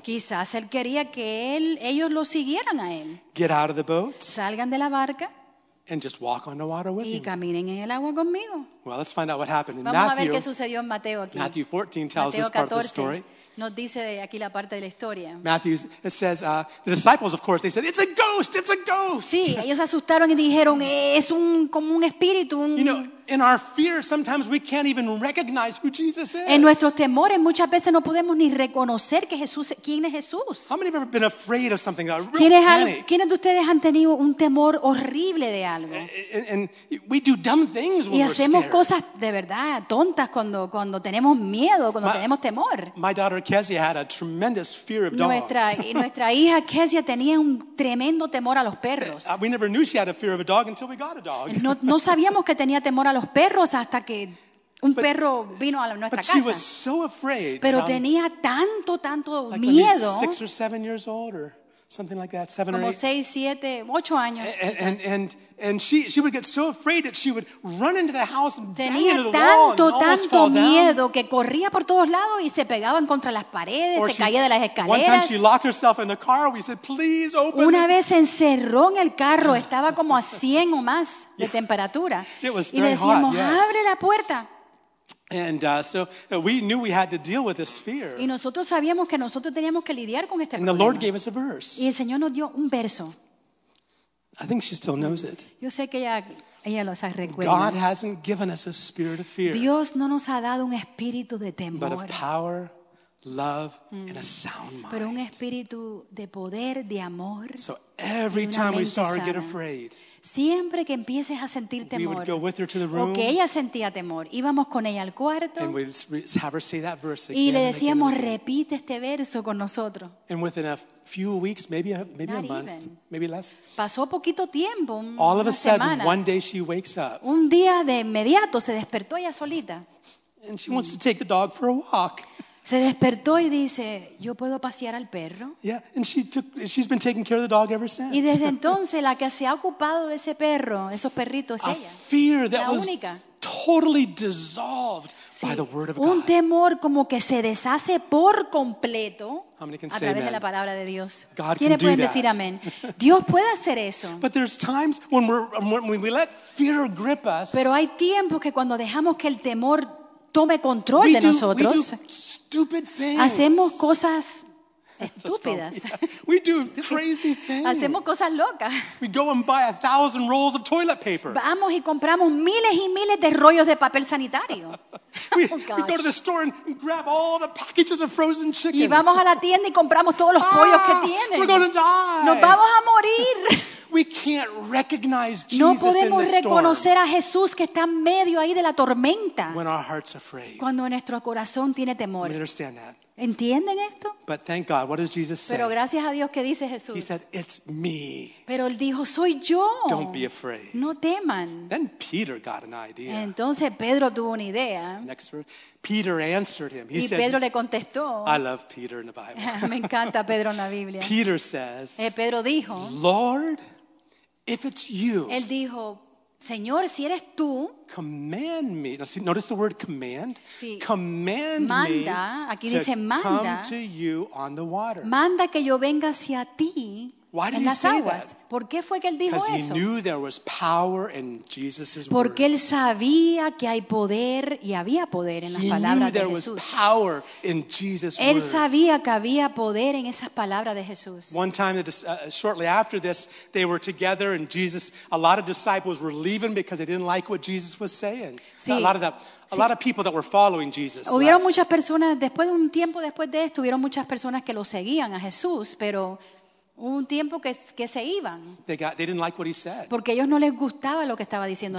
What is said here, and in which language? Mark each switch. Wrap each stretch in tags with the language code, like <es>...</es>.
<es>Quizás él quería que él, ellos lo siguieran a él.</es> <en>Get out of the boat.</en> <es>Salgan de la barca.</es> <en>And just walk on the water with</en> <es>y caminen en el agua conmigo.</es> <en>Well, let's find out what happened in</en> <es>vamos</es> <en>Matthew.</en> <es>Vamos a ver qué sucedió en Mateo aquí.</es> <en>Matthew 14 tells</en> <es>Mateo 14.</es> <en>This part of the story.</en> <es>Nos dice aquí la parte de la historia.</es> <en>Matthew says the disciples, of course, they said, "It's a ghost! It's a ghost!"</en> <es>Sí, ellos asustaron y dijeron, es un como un espíritu. Un...</es> <en>You know, in our fear, sometimes we can't even recognize who Jesus is.</en> <es>En nuestros temores, muchas veces no podemos ni reconocer que Jesús, quién es Jesús.</es> <en>How many have ever been afraid of something? A real panic.</en> <es>¿Quiénes de ustedes han tenido un temor horrible de algo?</es> <en>And we do dumb things when we're scared.</en> <es>Y hacemos cosas de verdad tontas cuando tenemos miedo, cuando tenemos temor.</es> <en>My daughter Kezia had a tremendous fear of dogs.</en> <es>Nuestra hija Kezia tenía un tremendo temor a los perros.</es> <en>We never knew she had a fear of a dog until we got a dog.</en> <es>No sabíamos que tenía temor a los perros hasta que un perro vino a nuestra casa.</es> <en>But she was so afraid.</en> <es>Pero tenía tanto miedo.</es> <en>Like 6 or 7 years old or something like that, 7</en> <es>como</es> <en>or 8.</en> <es>Como 6, 7, 8 años.</es> <en>And she would get so afraid that she would run into the house and</en> <es>tenía</es> <en>bang into the</en> <es>tanto,</es> <en>wall and almost</en> <es>tanto miedo</es> <en>down.</en> <es>Que corría por todos lados y se pegaban contra las paredes,</es> <en>or</en> <es>se</es> <en>she,</en> <es>caía de las escaleras.</es> <en>One time she locked herself in the car. We said, "Please open."</en> <es>Una vez encerró en el carro, estaba como a 100 o más de yeah. temperatura.</es> <en>It was</en> <es>y</es> <en>very</en> <es>le decíamos,</es> <en>hot, yes.</en> <es>"Abre la puerta."</es> <en>And so we knew we had to deal with this fear.</en> <es>Y nosotros sabíamos que nosotros teníamos que lidiar con este</es> <en>and</en> <es>problema.</es> <en>The Lord gave us a verse.</en> <es>Y el Señor nos dio un verso.</es> <en>I think she still knows it.</en> <es>Yo sé que ella Ella los recuerda.</es> <en>God hasn't given us a spirit of fear.</en> <es>Dios no nos ha dado un espíritu de temor.</es> <en>But of power, love, and a sound mind.</en> <es>Pero un espíritu de poder, de amor.</es> <en>So every time we saw her get afraid.</en> <es>Siempre que empieces a sentir temor,</es> <en>we would go with her to the room,</en> <es>o que ella sentía temor, íbamos con ella al cuarto</es> <en>and we'd have her say that verse again,</en> <es>y le decíamos, repite este verso con nosotros.</es> <en>And within a few weeks, maybe a month, maybe less,</en> <es>pasó poquito tiempo,</es> <en>all of a sudden,</en> <es>semanas,</es> <en>one day she wakes up.</en> <es>Un día de inmediato se despertó ella solita.</es> <en>And she wants to take the dog for a walk.</en> <es>Se despertó y dice, yo puedo pasear al perro.</es> <en>Yeah, and she's been taking care of the dog ever since.</en> <es>Y desde entonces la que se ha ocupado de ese perro, esos perritos, es ella.</es> <en>A fear that</en> <es>la única.</es> <en>Was totally dissolved</en> <es>sí.</es> <en>By the word of</en> <es>un</es> <en>God.</en> <es>Un temor como que se deshace por completo a través</es> <en>amen?</en> <es>De la palabra de Dios.</es> <en>God</en> <es>¿quiénes pueden</es> <en>that?</en> <es>Decir amén? Dios puede hacer eso.</es> <en>But there's times when we let fear grip us.</en> <es>Pero hay tiempos que cuando dejamos que el temor tome control</es> <en>we</en> <es>de</es> <en>do,</en> <es>nosotros.</es> <en>Stupid things.</en> <es>Hacemos cosas estúpidas.</es> <en>Yeah. We do crazy things.</en> <es>Hacemos cosas locas.</es> <en>We go and buy 1,000 rolls of toilet paper.</en> <es>Vamos y compramos miles y miles de rollos de papel sanitario.</es> <en>We go to the store and grab all the packages of frozen chicken.</en> <es>Y vamos a la tienda y compramos todos los pollos que tienen.</es> <en>We're going to die.</en> <es>Nos vamos a morir.</es> <en>We can't recognize Jesus in the storm.</en> <es>No podemos reconocer a Jesús que está en medio ahí de la tormenta.</es> <en>When our heart's afraid.</en> <es>Cuando nuestro corazón tiene temor.</es> <en>We understand that.</en> <es>¿Entienden esto?</es> <en>But thank God, what does Jesus say?</en> <es>Pero gracias a Dios, ¿qué dice Jesús?</es> <en>He said, it's me.</en> <es>Pero él dijo, soy yo.</es> <en>Don't be afraid.</en> <es>No teman.</es> <en>Then Peter got an idea.</en> <es>Entonces Pedro tuvo una idea.</es> <en>Next verse. Peter answered him. He</en> <es>y</es> <en>said,</en> <es>Pedro le contestó.</es> <en>I love Peter in the Bible.</en> <es>Me encanta Pedro en la Biblia.</es> <en>Peter says,</en> <es>Pedro dijo,</es> <en>Lord, if it's you,</en> <es>él dijo, Señor, si eres tú,</es> <en>command me. Now, see, notice the word command.</en> <es>Sí.</es> <en>Command</en> <es>manda,</es> <en>me</en> <es>aquí dice,</es> <en>to</en> <es>manda,</es> <en>come to you on the water.</en> <es>Manda que yo venga hacia ti.</es> <en>Why did</en> <es>en</es> <en>he</en> <es>las</es> <en>say</en> <es>aguas.</es> <en>That?</en> <es>¿Por qué fue que él dijo eso?</es> <en>Because he knew there was power in Jesus' words.</en> <es>Porque él sabía que hay poder y había poder en las palabras de Jesús.</es> <en>He knew there was power in Jesus' words.</en> <es>Él sabía que había poder en esas palabras de Jesús.</es> <en>One time, shortly after this, they were together and Jesus, a lot of disciples were leaving because they didn't like what Jesus was saying.</en> <es>Sí.</es> <en>A lot of people that were following Jesus.</en> <es>Hubieron muchas personas, después de un tiempo después de esto, hubieron muchas personas que lo seguían a Jesús, pero un tiempo que se iban.</es> <en>They didn't like what he said.</en> <es>Porque a ellos no les gustaba lo que estaba diciendo</es>